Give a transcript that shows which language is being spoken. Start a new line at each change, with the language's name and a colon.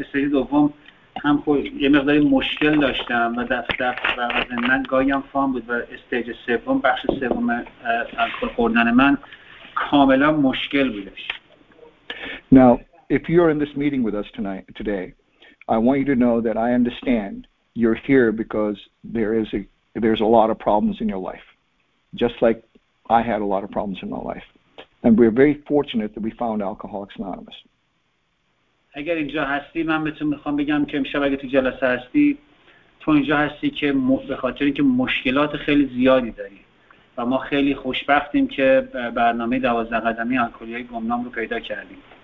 Persian: استیج دوم هم یه مقداری مشکل داشتم و من گاهی هم فان بود. و استیج سوم، بخش سوم الکل خوردن من کاملا مشکل بودش.
English: Now, if you're in this meeting with us today, I want you to know that I understand you're here because there's a lot of problems in your life. Just like I had a lot of problems in my life. And we're very fortunate that we found Alcoholics Anonymous.
Persian: اگر اینجا هستی، من بهتون میخوام بگم که امشب اگه تو جلسه هستی، تو اینجا هستی که به خاطر اینکه مشکلات خیلی زیادی داری. و ما خیلی خوشبختیم که برنامه 12 قدمی الکلی گمنام رو پیدا کردیم.